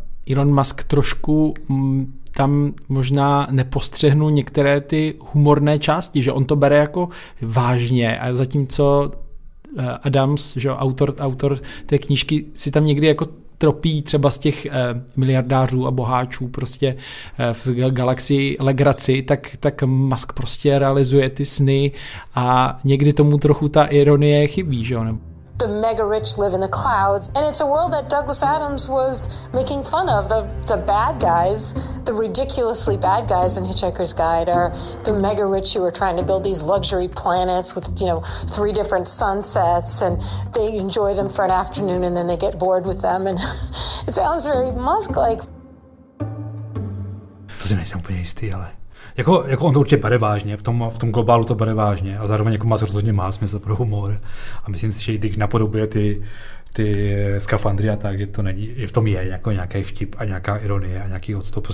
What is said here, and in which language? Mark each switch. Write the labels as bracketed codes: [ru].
[cs] Elon Musk trošku tam možná nepostřehnu některé ty humorné části, že on to bere jako vážně a zatímco Adams, že autor té knížky, si tam někdy jako tropí třeba z těch miliardářů a boháčů prostě v galaxii legraci, tak Musk prostě realizuje ty sny a někdy tomu trochu ta ironie chybí, že jo? [en] The mega rich live in the clouds, and it's a world that Douglas Adams was making fun of. The bad guys, the ridiculously bad guys in Hitchhiker's Guide are the mega rich who are trying to build these luxury planets with, you know, three different sunsets, and they enjoy them for an afternoon, and then they get bored with them, and it sounds very Musk-like. [cs] To si nejsem úplně jistý, ale jako on to určitě bere vážně, v tom globálu to bere vážně a zároveň jako Musk rozhodně má smysl pro humor a myslím si, že i když napodobuje ty skafandry a tak, že to není, že v tom je jako nějaký vtip a nějaká ironie a nějaký odstup.